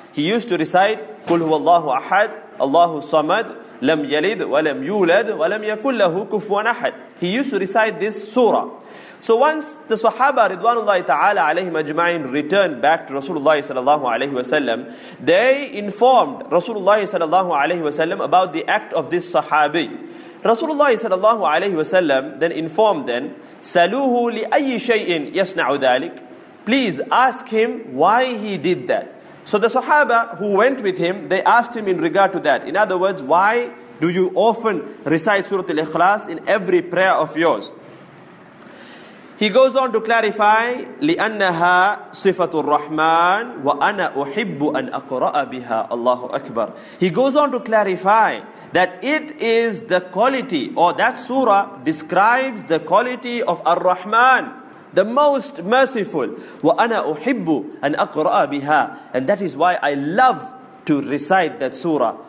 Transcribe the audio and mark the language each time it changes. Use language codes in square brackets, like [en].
[en] He used to recite, [ar] قُلْ هُوَ اللَّهُ أَحَدْ اللَّهُ الصَّمَدْ لَمْ يَلِدْ وَلَمْ يُولَدْ وَلَمْ يَكُلْ لَهُ كُفُوًا أَحَدْ. [en] He used to recite this surah. So once the Sahaba Ridwanullahi ta'ala alayhim ajma'in returned back to Rasulullah sallallahu alayhi wa sallam, they informed Rasulullah sallallahu alayhi wa sallam about the act of this Sahabi. Rasulullah sallallahu alayhi wa sallam then informed them, [ar] سَلُوهُ لِأَيِّ شَيْءٍ يَسْنَعُ ذَلِكَ. [en] Please ask him why he did that. So the Sahaba who went with him, they asked him in regard to that. In other words, why do you often recite Surah Al-Ikhlas in every prayer of yours? He goes on to clarify, [ar] لِأَنَّهَا صِفَةُ الرَّحْمَانِ وَأَنَا أُحِبُّ أَنْ أَقْرَأَ بِهَا. Allahu Akbar. [en] He goes on to clarify that it is the quality, or that surah describes the quality of Ar-Rahman, the most merciful. [ar] وَأَنَا أُحِبُّ أَنْ أَقْرَأَ بِهَا. [en] And that is why I love to recite that surah.